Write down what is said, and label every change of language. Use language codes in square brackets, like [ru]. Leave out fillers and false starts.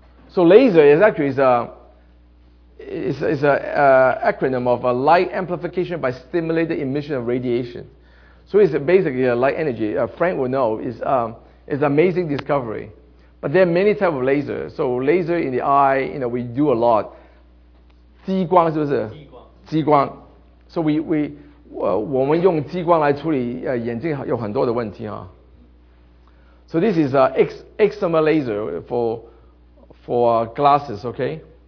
[en] So laser is an acronym of a light amplification by stimulated emission of radiation. So it's basically a light energy. Frank will know. It's an amazing discovery. But there are many types of laser. So laser in the eye, you know, we do a lot. [zh] 激光是不是？激光。激光。 [en] So we [zh] 我们用激光来处理眼睛有很多的问题啊。 [en] So this is an excimer laser for glasses, okay?